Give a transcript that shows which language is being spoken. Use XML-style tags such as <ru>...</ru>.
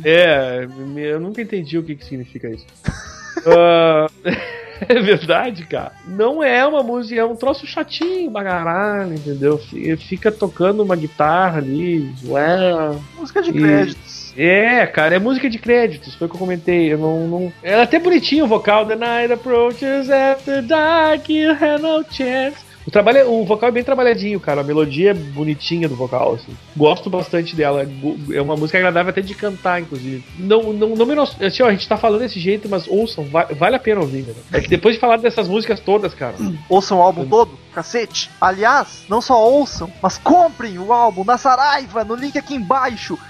<pt>É, eu nunca entendi o que que significa isso. É verdade, cara. Não é uma música, é um troço chatinho, bagaralho, entendeu? Fica tocando uma guitarra ali, ué. Música de créditos. É, cara, é música de créditos, foi o que eu comentei. Eu não... É até bonitinho o vocal.</pt> <en>The night approaches after dark, you have no chance.</en> <pt>O vocal é bem trabalhadinho, cara. A melodia é bonitinha do vocal, assim. Gosto bastante dela. É uma música agradável até de cantar, inclusive. Assim, ó, a gente tá falando desse jeito, mas ouçam, vale a pena ouvir, né? É que depois de falar dessas músicas todas, cara... Ouçam o álbum todo, cacete. Aliás, não só ouçam, mas comprem o álbum na Saraiva, no link aqui embaixo.</pt>